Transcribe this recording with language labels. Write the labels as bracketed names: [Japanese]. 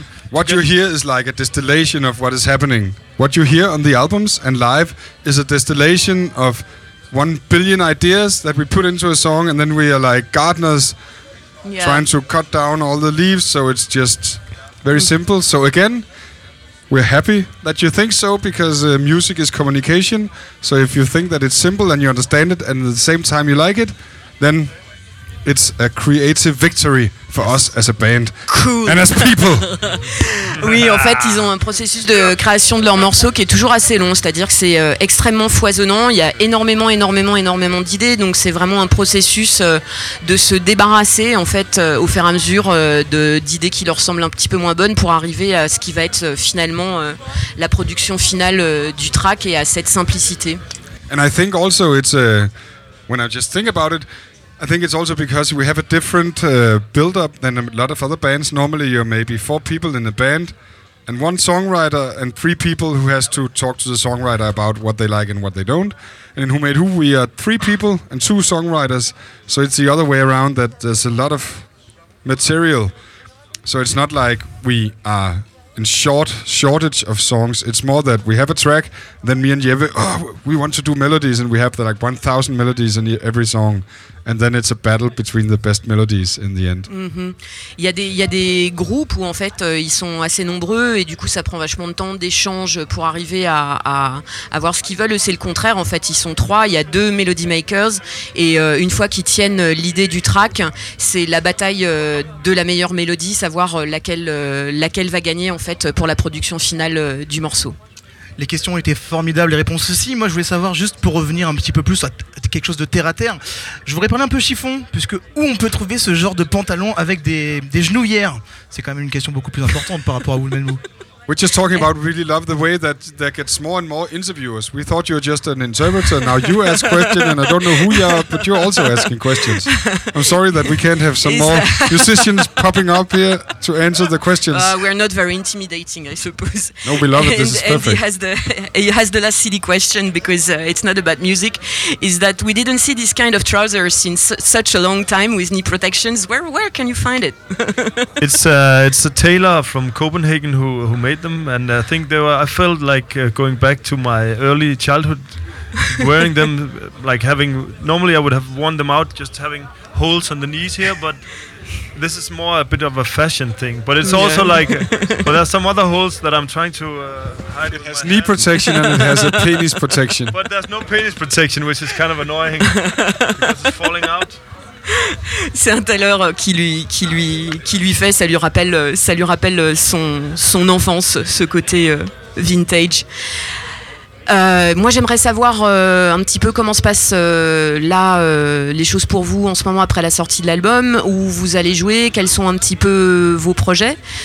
[English] What you hear is like a distillation of what is happening. What you hear on the albums and live is a distillation of 1 billion ideas that we put into a song, and then we are like gardeners trying to cut down all the leaves, so it's just very simple. So again, we're happy that you think so, because music is communication. So if you think that it's simple and you understand it and at the same time you like it, then it's a creative victory for us as a band. Cool. And as people. [French] Oui, en fait, ils ont un processus de création de leurs morceaux qui est toujours assez long, c'est-à-dire que c'est extrêmement foisonnant, il y a énormément d'idées, donc c'est vraiment un processus de se débarrasser, en fait, au fur et à mesure d'idées qui leur semblent un petit peu moins bonnes pour arriver à ce qui va être finalement la production finale du track et à cette simplicité. [English] And I think also it's when I just think about it, I think it's also because we have a different build-up than a lot of other bands. Normally you're maybe 4 people in a band and 1 songwriter and 3 people who has to talk to the songwriter about what they like and what they don't. And in Who Made Who we are 3 people and 2 songwriters. So it's the other way around, that there's a lot of material. So it's not like we are in shortage of songs. It's more that we have a track, then me and Jeppe, we want to do melodies, and we have the, like 1,000 melodies in every song. And then it's a battle between the best melodies in the end. [French] Il y a des groupes où en fait ils sont assez nombreux et du coup ça prend vachement de temps d'échange pour arriver à voir ce qu'ils veulent. C'est le contraire en fait, ils sont 3, il y a 2 [English] melody makers [French] et une fois qu'ils tiennent l'idée du track, c'est la bataille de la meilleure mélodie, savoir laquelle va gagner en fait pour la production finale du morceau. Les questions étaient formidables, les réponses aussi. Moi, je voulais savoir, juste pour revenir un petit peu plus à quelque chose de terre à terre, je voudrais parler un peu chiffon, puisque où on peut trouver ce genre de pantalon avec des genouillères? C'est quand même une question beaucoup plus importante par rapport à Woolman Woo. [English] We're just talking about really love the way that there gets more and more interviewers. We thought you were just an interpreter. Now you ask questions and I don't know who you are, but you're also asking questions. I'm sorry that we can't have some more musicians popping up here to answer the questions. We're not very intimidating, I suppose. No, we love it. This is perfect. And he has the last silly question, because it's not about music, is that we didn't see this kind of trousers in such a long time with knee protections. Where can you find it? it's a tailor from Copenhagen who made them, and I think they were. I felt like going back to my early childhood, wearing them. Like having normally, I would have worn them out, just having holes on the knees here. But this is more a bit of a fashion thing. But it's also like, well, there are some other holes that I'm trying to hide. It has knee protection and it has a penis protection. But there's no penis protection, which is kind of annoying because it's falling out. [French] C'est un tailleur qui lui fait, ça lui rappelle son enfance, ce côté vintage. Moi, j'aimerais savoir un petit peu comment se passent les choses pour vous en ce moment après la sortie de l'album, où vous allez jouer, quels sont un petit peu vos projets.